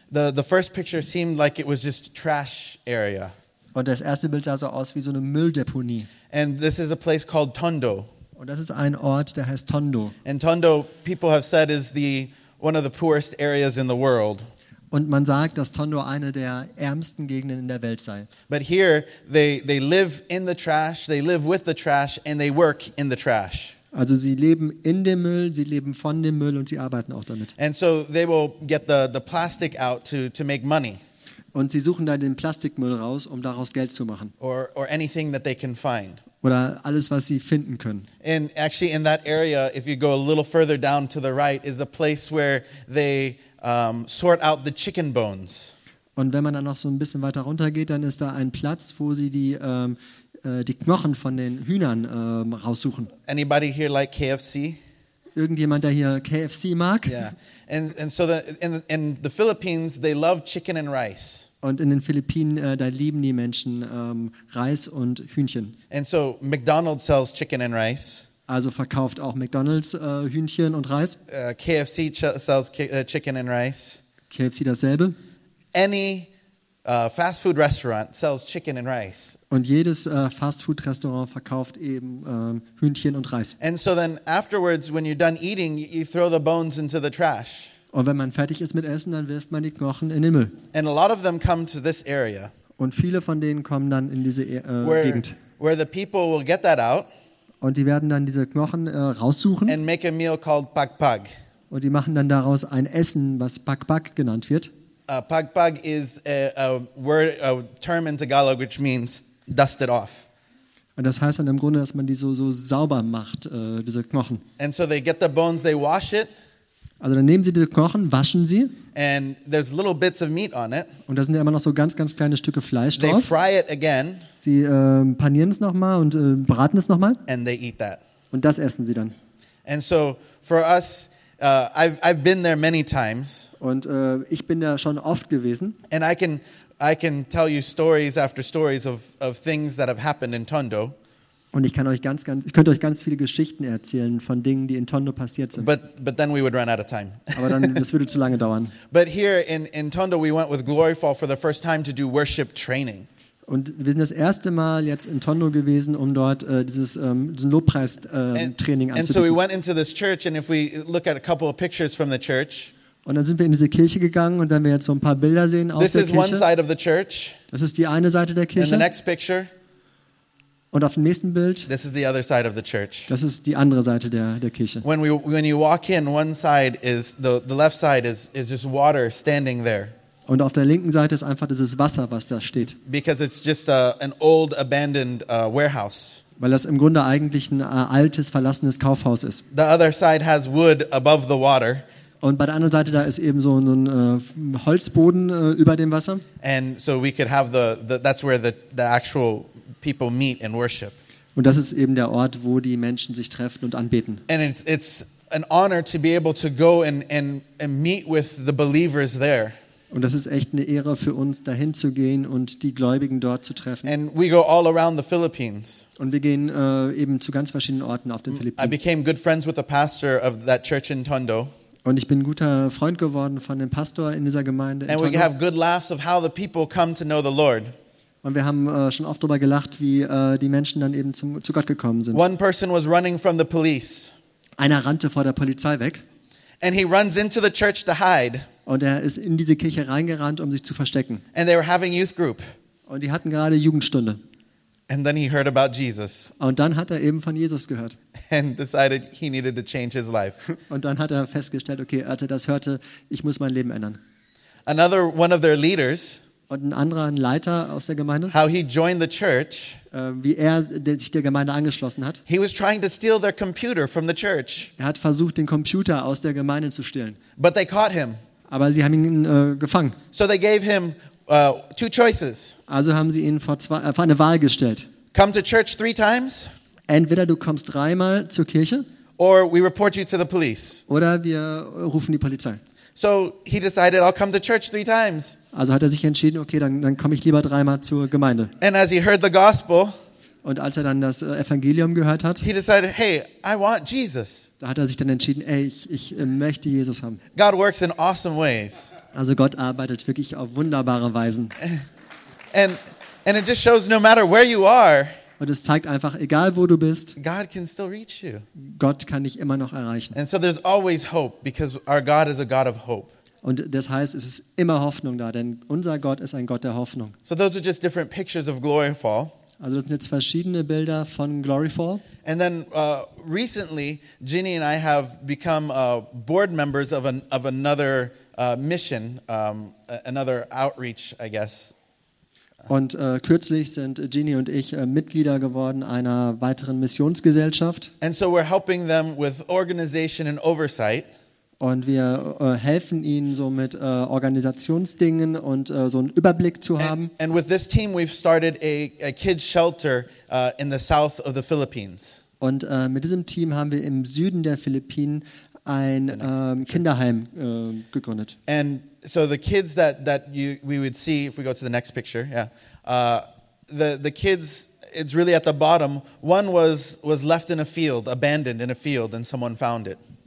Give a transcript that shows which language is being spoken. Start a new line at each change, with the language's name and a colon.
English: The first picture seemed like it was just a trash area.
German: Und das erste Bild sah so aus wie so eine Mülldeponie.
English: And this is a place called Tondo.
German: Und das ist ein Ort, der heißt Tondo.
English: And Tondo, people have said, is one of the poorest areas in the world.
German: Und man sagt, dass Tondo eine der ärmsten Gegenden in der Welt sei.
English: But here they live in the trash, they live with the trash, and they work in the trash.
German: Also sie leben in dem Müll, sie leben von dem Müll und sie arbeiten auch damit.
English: And so they will get the plastic out to make money.
German: Und sie suchen dann den Plastikmüll raus, um daraus Geld zu machen.
English: Or anything that they can find.
German: Oder alles, was sie finden können.
English: And actually in that area, if you go a little further down to the right, is a place where they sort out the chicken bones.
German: Und wenn man dann noch so ein bisschen weiter runter geht, dann ist da ein Platz, wo sie die Knochen von den Hühnern raussuchen.
English: Anybody here like KFC?
German: irgendjemand, der hier KFC mag.
English: Yeah. And so in the Philippines, they love chicken and rice.
German: Und in den Philippinen, da lieben die Menschen Reis und Hühnchen.
English: And so McDonald's sells chicken and rice.
German: Also verkauft auch McDonald's Hühnchen und Reis.
English: KFC sells chicken and rice.
German: KFC dasselbe.
English: Any fast food restaurant sells chicken and rice.
German: Und jedes Fast Food Restaurant verkauft eben Hühnchen und Reis.
English: And so then afterwards when you're done eating, you throw the bones into the trash.
German: Und wenn man fertig ist mit Essen, dann wirft man die Knochen in den Müll.
English: And a lot of them come to this area.
German: Und viele von denen kommen dann in diese Gegend.
English: Where the people will get that out.
German: Und die werden dann diese Knochen raussuchen.
English: And make a meal called pag pag.
German: Und die machen dann daraus ein Essen, was pag pag genannt wird.
English: Pag pag is a term in Tagalog which means dust it off.
German: Und das heißt dann im Grunde, dass man die so sauber macht, diese Knochen.
English: And so they get the bones, they wash it.
German: Also dann nehmen sie diese Knochen, waschen sie.
English: And there's little bits of meat on it.
German: Und da sind ja immer noch so ganz, ganz kleine Stücke Fleisch drauf.
English: They fry it again.
German: Sie panieren es nochmal und braten es nochmal.
English: And they eat that.
German: Und das essen sie dann.
English: And so for us, I've been there many times.
German: Und ich bin da schon oft gewesen.
English: And I can tell you stories after stories of things that have happened in Tondo.
German: Und ich kann euch ganz viele Geschichten erzählen von Dingen, die in Tondo passiert sind.
English: But then we would run out of time.
German: Aber dann das würde zu lange dauern.
English: But here in Tondo we went with Gloryfall for the first time to do worship training.
German: Und wir sind das erste Mal jetzt in Tondo gewesen, um dort diesen Lobpreis Training anzubieten.
English: And so we went into this church and if we look at a couple of pictures from the church.
German: Und dann sind wir in diese Kirche gegangen und dann werden wir jetzt so ein paar Bilder sehen aus
English: this
German: der Kirche.
English: This is one side of the church.
German: Das ist die eine Seite der Kirche.
English: And the next picture.
German: Und auf dem nächsten Bild.
English: This is the other side of the church.
German: Das ist die andere Seite der Kirche.
English: When you walk in, one side is the left side is just water standing there.
German: Und auf der linken Seite ist einfach dieses Wasser, was da steht.
English: Because it's just an old abandoned warehouse.
German: Weil das im Grunde eigentlich ein altes verlassenes Kaufhaus ist.
English: The other side has wood above the water.
German: Und bei der anderen Seite da ist eben so ein Holzboden über dem Wasser.
English: And so we could have that's where the actual people meet and worship.
German: Und das ist eben der Ort, wo die Menschen sich treffen und anbeten.
English: And it's an honor to be able to go and meet with the believers there.
German: Und das ist echt eine Ehre für uns, dahin zu gehen und die Gläubigen dort zu treffen.
English: And we go all around the Philippines.
German: Und wir gehen eben zu ganz verschiedenen Orten auf den Philippinen.
English: I became good friends with the pastor of that church in Tondo.
German: Und ich bin ein guter Freund geworden von dem Pastor in dieser Gemeinde.
English: And we have good laughs of how the people come to know the Lord.
German: Und wir haben schon oft darüber gelacht, wie die Menschen dann eben zu Gott gekommen sind.
English: One person was running from the police.
German: Einer rannte vor der Polizei weg.
English: And he runs into the church to hide.
German: Und er ist in diese Kirche reingerannt, um sich zu verstecken.
English: And they were having youth group.
German: Und die hatten gerade Jugendstunde.
English: And then he heard about Jesus.
German: Und dann hat er eben von Jesus gehört.
English: And decided he needed to change his life.
German: Und dann hat er festgestellt, okay, als er das hörte, ich muss mein Leben ändern.
English: Another one of their leaders.
German: Und ein anderer, ein Leiter aus der Gemeinde.
English: How he joined the church.
German: Wie er sich der Gemeinde angeschlossen hat.
English: He was trying to steal their computer from the church.
German: Er hat versucht, den Computer aus der Gemeinde zu stehlen.
English: But they caught him.
German: Aber sie haben ihn gefangen.
English: So they gave him two choices.
German: Also haben sie ihn vor eine Wahl gestellt.
English: Come to church three times.
German: Entweder du kommst dreimal zur Kirche.
English: Or we report you to the police.
German: Oder wir rufen die Polizei.
English: So he decided, I'll come to church three times.
German: Also hat er sich entschieden, okay, dann komme ich lieber dreimal zur Gemeinde.
English: And as he heard the gospel.
German: Und als er dann das Evangelium gehört hat.
English: He decided, hey, I want Jesus.
German: Da hat er sich dann entschieden, ey, ich möchte Jesus haben.
English: God works in awesome ways.
German: Also Gott arbeitet wirklich auf wunderbare Weisen.
English: And it just shows no matter where you are.
German: Und es zeigt einfach, egal wo du bist.
English: God can still reach you.
German: Gott kann dich immer noch erreichen.
English: And so there's always hope because our God is a God of hope.
German: Und das heißt, es ist immer Hoffnung da, denn unser Gott ist ein Gott der Hoffnung.
English: So those are just different pictures of Gloryfall.
German: Also das sind jetzt verschiedene Bilder von Gloryfall.
English: And then recently Ginny and I have become board members of another mission, another outreach, I guess.
German: Und kürzlich sind Ginny und ich Mitglieder geworden einer weiteren Missionsgesellschaft.
English: And so we're helping them with organization and oversight.
German: Und wir helfen ihnen so mit Organisationsdingen und so einen Überblick zu haben.
English: And with this team we've started a kids shelter in the south of the Philippines.
German: Und mit diesem Team haben wir im Süden der Philippinen ein Kinderheim gegründet.
English: And so the kids that we would see, if we go to the next picture, yeah, the kids, it's really at the bottom. One was left in a field, abandoned in a field, and someone found it.